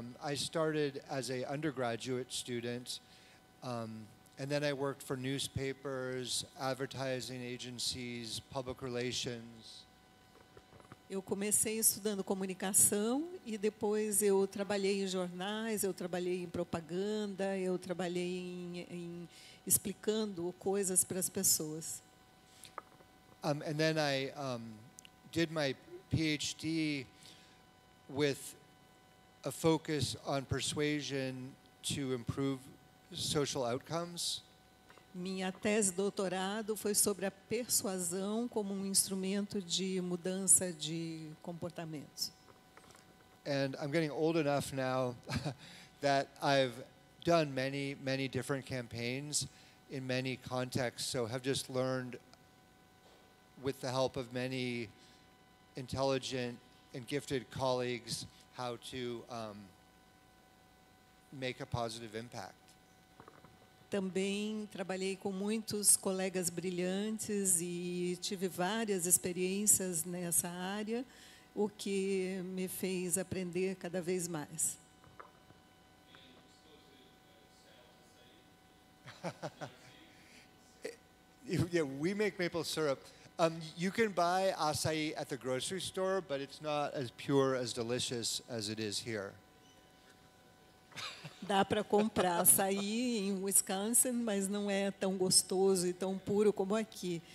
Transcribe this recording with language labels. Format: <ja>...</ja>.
<en>I started as an undergraduate student, and then I worked for newspapers, advertising agencies, public relations.</en> <pt>Eu comecei estudando comunicação e depois eu trabalhei em jornais, eu trabalhei em propaganda, eu trabalhei em explicando coisas para as pessoas.</pt> <en>And then I did my PhD with a focus on persuasion to improve social outcomes.</en> <pt>Minha tese de doutorado foi sobre a persuasão como um instrumento de mudança de comportamentos.</pt> <en>And I'm getting old enough now that I've done many, many different campaigns in many contexts, so have just learned with the help of many intelligent and gifted colleagues how to make a positive impact.</en> <pt>Também trabalhei com muitos colegas brilhantes e tive várias experiências nessa área, o que me fez aprender cada vez mais.</pt> <en>Yeah, we make maple syrup. You can buy açaí at the grocery store, but it's not as pure as delicious as it is here.</en> <pt>Dá para comprar açaí em Wisconsin, mas não é tão gostoso e tão puro como aqui.</pt>